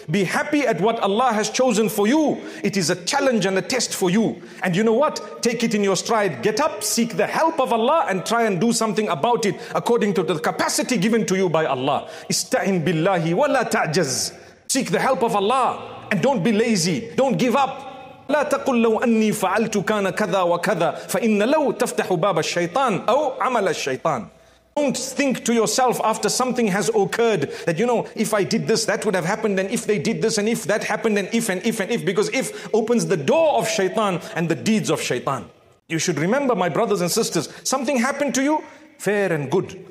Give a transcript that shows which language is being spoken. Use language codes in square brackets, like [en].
[en] Be happy at what Allah has chosen for you. It is a challenge and a test for you. And you know what? Take it in your stride. Get up, seek the help of Allah and try and do something about it according to the capacity given to you by Allah. [ar] Ista'in billahi wa la ta'jaz. [en] Seek the help of Allah and don't be lazy. Don't give up. [ar] لا تقل لو أني فعلت كان كذا وكذا فإن لو تفتح باب الشيطان أو عمل الشيطان. [en] Don't think to yourself after something has occurred that, you know, if I did this, that would have happened, and if they did this, and if that happened, and if, because if opens the door of shaitan and the deeds of shaitan. You should remember, my brothers and sisters, something happened to you, fair and good.